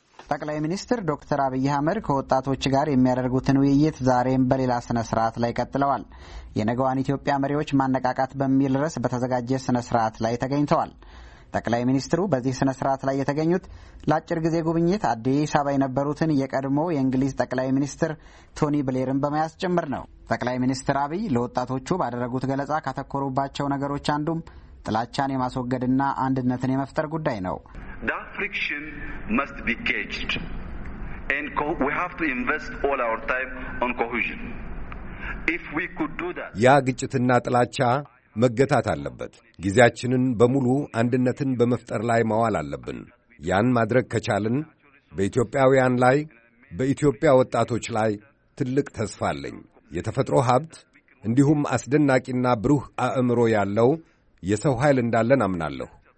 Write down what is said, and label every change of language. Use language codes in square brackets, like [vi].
[am] ጠቅላይ ሚኒስትር ዶክተር አብይ አህመድ ከወጣቶች ጋር የሚያደርጉትን ውይይት ዛሬም በሌላ ሥነ ሥርዓት ላይ ቀጥለዋል። የነገዋን ኢትዮጵያ መሪዎች ማነቃቃት በሚል ርዕስ በተዘጋጀ ሥነ ሥርዓት ላይ ተገኝተዋል። ጠቅላይ ሚኒስትሩ በዚህ ሥነ ሥርዓት ላይ የተገኙት ለአጭር ጊዜ ጉብኝት አዲስ አበባ የነበሩትን የቀድሞ የእንግሊዝ ጠቅላይ ሚኒስትር ቶኒ ብሌርን በመያዝ ጭምር ነው። ጠቅላይ ሚኒስትር አብይ ለወጣቶቹ ባደረጉት ገለጻ ካተኮሩባቸው ነገሮች አንዱም ጥላቻን የማስወገድና አንድነትን የመፍጠር ጉዳይ ነው። [en] That friction must be caged and we have to invest all our time on cohesion. If we could do that. [am] ያ ግጭትና ጥላቻ መገታት አለበት። ጊዜያችንን በሙሉ አንድነትን በመፍጠር ላይ ማዋል አለብን። ያን ማድረግ ከቻልን በኢትዮጵያውያን ላይ፣ በኢትዮጵያ ወጣቶች ላይ ትልቅ ተስፋ አለኝ። የተፈጥሮ ሀብት እንዲሁም አስደናቂና ብሩህ አእምሮ ያለው የሰው ኃይል እንዳለን አምናለሁ።